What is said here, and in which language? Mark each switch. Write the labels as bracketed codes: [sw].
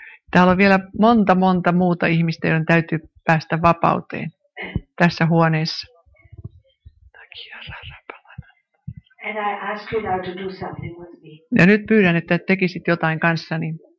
[fi] Täällä on vielä monta muuta ihmistä, joiden täytyy päästä vapauteen tässä huoneessa. [en] And I ask you now to do something with me. [fi] Ja nyt pyydän, että tekisit jotain kanssani.